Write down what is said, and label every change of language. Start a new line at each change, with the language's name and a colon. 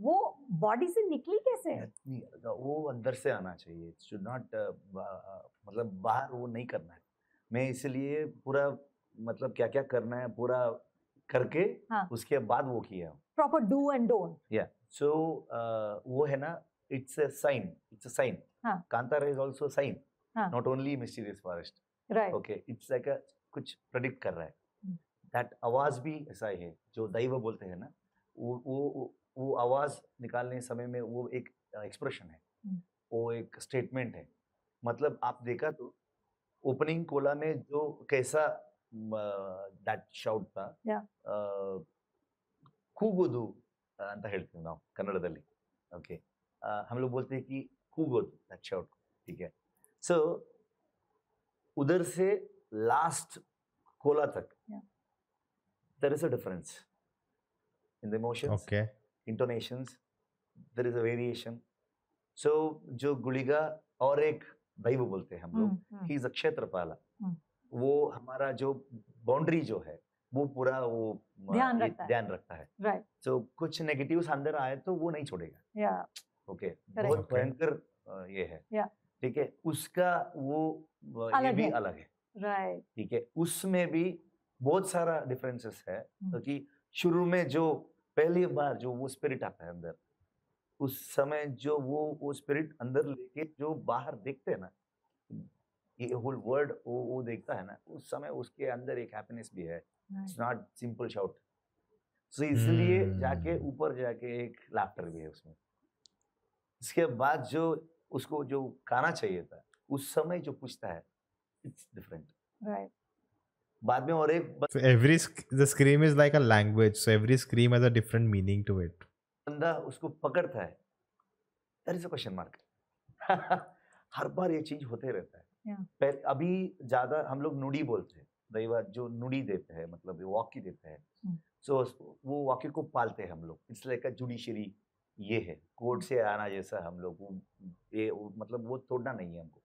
Hindi: वो body से निकली कैसे? वो अंदर से आना चाहिए.
English: It should not
Hindi: मतलब बाहर वो नहीं करना है. मैं इसलिए पूरा मतलब क्या क्या करना है पूरा करके उसके बाद वो किया.
English: Proper do and don't. Yeah. So
Hindi: वो है ना,
English: it's a sign. It's a sign. Kantara is also a sign. Not only mysterious forest. Right. Okay. It's like a
Hindi: कुछ predict कर रहा है. That आवाज भी ऐसा है जो दैव बोलते हैं ना. वो आवाज निकालने समय में वो एक एक्सप्रेशन है. वो एक स्टेटमेंट है. मतलब आप देखा तो ओपनिंग कोला में जो कैसा दैट शाउट था, कूगोदु अंत हेल्थ ना कन्नडदल्ली. ओके. हम लोग बोलते हैं कि कूगोदु दैट शाउट. ठीक है. सो उधर से लास्ट कोला तक
English: There is a difference in the emotions, okay. intonations, there is a variation.
Hindi: So, जो गुलिगा और एक दैव बोलते हैं हम लोग,
English: he is a
Hindi: क्षेत्रपाला. वो हमारा जो बाउंड्री जो है वो पूरा वो ध्यान रखता है.
English: Right.
Hindi: So, कुछ negatives अंदर आए तो वो नहीं छोड़ेगा.
English: Yeah.
Hindi: Okay. बहुत भयंकर ये है.
English: Yeah.
Hindi: ठीक है. उसका वो ये भी अलग है.
English: Right.
Hindi: ठीक है. उसमें भी बहुत सारा differences है. क्योंकि शुरू में जो पहली बार जो वो स्पिरिट आता है अंदर, उस समय जो वो स्पिरिट अंदर लेके जो बाहर देखते हैं ना, ये होल वर्ल्ड वो देखता है ना, उस समय उसके अंदर एक हैप्पीनेस भी है.
English: It's not simple shout.
Hindi: सो इसलिए जाके ऊपर जाके एक लाफ्टर भी है उसमें. इसके बाद जो उसको जो गाना चाहिए था उस समय जो पूछता है,
English: It's different. Right.
Hindi: बाद में और एक
English: so every the scream is like a language, so every scream has a different meaning to it.
Hindi: बंदा उसको पकड़ता है,
English: there is a question mark.
Hindi: हर बार ये चीज होते रहता है.
English: Yeah.
Hindi: अभी ज्यादा हम लोग नुडी बोलते हैं, दैवा जो नुडी देते हैं, मतलब वाकी देते हैं. सो वो वाकी को पालते हैं हम लोग.
English: It's like a judiciary.
Hindi: ये है कोर्ट से आना जैसा हम लोग, मतलब वो तोड़ना नहीं है हमको.